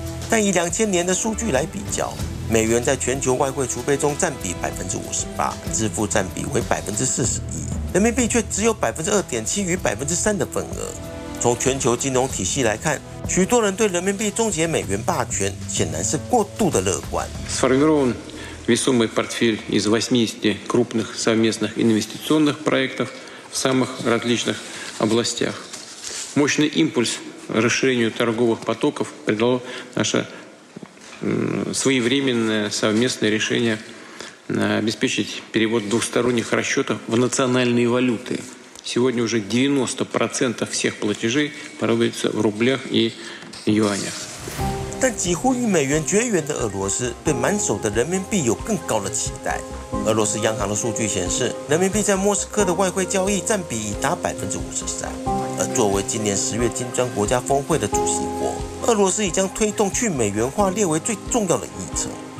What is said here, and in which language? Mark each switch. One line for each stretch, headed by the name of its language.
Chinese: 但以2000年的数据来比较，美元在全球外汇储备中占比58%，支付占比为41%，人民币却只有2.7%与3%的份额。从全球金融体系来看，许多人对人民币终结美元霸权显然是过度的乐观。
Russian: Весомый портфель из 80 крупных совместных инвестиционных проектов в самых различных областях. Мощный импульс расширению торговых потоков придало наше своевременное совместное решение обеспечить перевод двухсторонних расчетов в национальные валюты. Сегодня уже 90% всех платежей проводится в рублях и юанях.
Chinese: 但几乎与美元绝缘的俄罗斯对满手的人民币有更高的期待。俄罗斯央行的数据显示，人民币在莫斯科的外汇交易占比已达53%。而作为今年10月金砖国家峰会的主席国，俄罗斯已将推动去美元化列为最重要的议程。